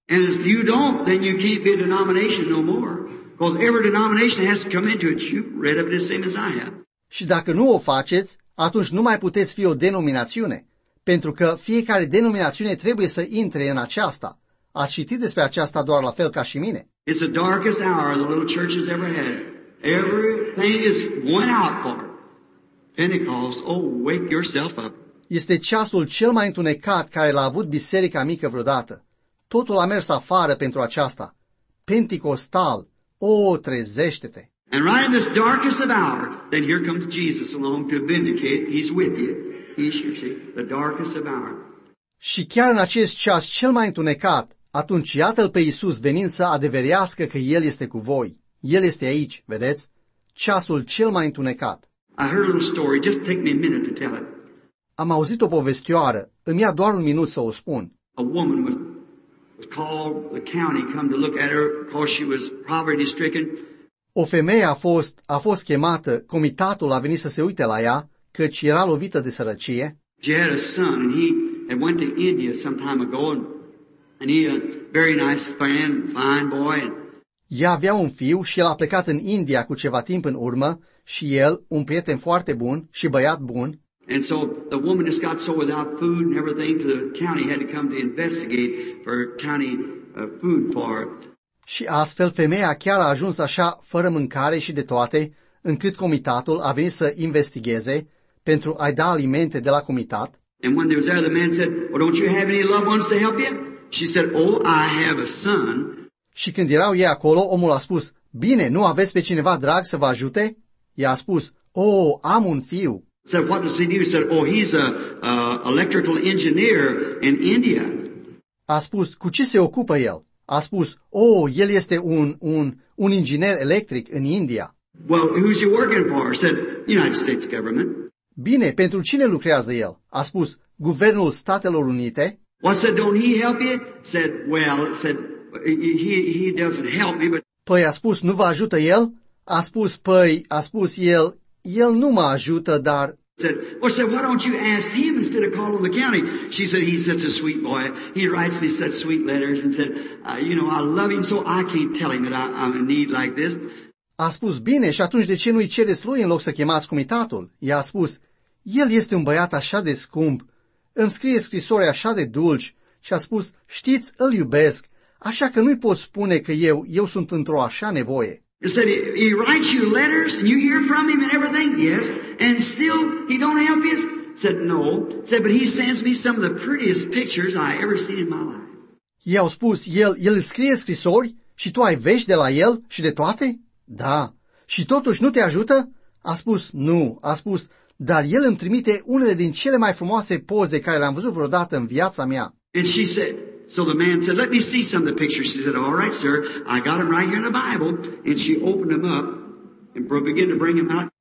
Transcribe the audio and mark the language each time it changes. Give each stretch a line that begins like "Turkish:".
English: And if you don't, then you can't be a denomination no more. Because every denomination has to come into it. You've read of it the same as I have.
Romanian: Și dacă nu o faceți, atunci nu mai puteți fi o denominațiune. Pentru că fiecare denominațiune trebuie să intre în aceasta. Ați citit despre aceasta doar la fel ca și mine.
English: It's the darkest hour the little church has ever had. Everything is one out for Pentecost. Oh, wake yourself up.
Romanian: Este ceasul cel mai întunecat care l-a avut biserica mică vreodată. Totul a mers afară pentru aceasta. Pentecostal. Oh, trezește-te.
English: And right in this darkest of hour, then here comes Jesus along to vindicate. He's with you. He's your see, the darkest of hour.
Romanian: Și chiar în acest ceas cel mai întunecat, atunci iată-L pe Iisus venind să adeverească că El este cu voi. El este aici, vedeți? Ceasul cel mai întunecat.
English: I heard a little story. Just take me a minute to tell it.
Romanian: Am auzit o povestioară. Îmi ia doar un minut să o spun.
English: A woman was called the county come to look at her because she was poverty stricken.
Romanian: O femeie a fost chemată, comitatul a venit să se uite la ea, căci era lovită de sărăcie.
English: She had a son and he had went to India some time ago and he a very nice man, fine boy.
Romanian: Ea avea un fiu și el a plecat în India cu ceva timp în urmă și el, un prieten foarte bun și băiat bun.
English: And so the woman just got so without food and everything to the county had to come to investigate for county food for her.
Romanian: Și astfel femeia chiar a ajuns așa fără mâncare și de toate, încât comitatul a venit să investigheze pentru a-i da alimente de la comitat.
English: And when they were there, the man said, "Well, don't you have any loved ones to help you?" She said, "Oh, I have a son."
Romanian: Și când erau ei acolo, omul a spus, "Bine, nu aveți pe cineva drag să vă ajute?" Ea a spus, "Oh, am un fiu."
English: Said, "What does he do?" Said, "Oh, he's a electrical engineer in India."
Romanian: A spus, "Cu ce se ocupă el?" A spus, "Oh, el este un inginer electric în India."
English: "Well, who's he working for?" Said, "United States government."
Romanian: "Bine, pentru cine lucrează el?" A spus, "Guvernul Statelor Unite."
English: "Well," said, "don't he help you?" Said, "Well," said, "he doesn't help me, but..."
Romanian: Păi a spus, "Nu vă ajută el?" A spus, "Păi," a spus el, "el nu mă ajută, dar..."
English: Said, "Well," said, "why don't you ask him instead of calling the county?" She said, "He's such a sweet boy. He writes me such sweet letters and said, you know, I love him so I can't tell him that I'm in need like this."
Romanian: A spus, "Bine, și atunci de ce nu-i cereți lui în loc să chemați comitatul?" Ea a spus, "El este un băiat așa de scump. Îmi scrie scrisori așa de dulci." Și a spus, "Știți, îl iubesc, așa că nu-i pot spune că eu sunt într-o așa nevoie."
English: He said, "He writes you letters and you hear from him and everything?" "Yes." "And still he don't help you?" Said, "No." Said, "But he sends me some of the prettiest pictures I ever seen in my life."
Romanian: I-au spus, el scrie scrisori Și tu ai vești de la el și de toate? Da. Și totuși nu te ajută? A spus, nu. A spus, dar el îmi trimite unele din cele mai frumoase poze care le-am văzut vreodată în viața mea.
English: And she said, so the man said, let me see some of the pictures. She said, all right, sir, I got them right here in the Bible. And she opened them up and began to bring them out.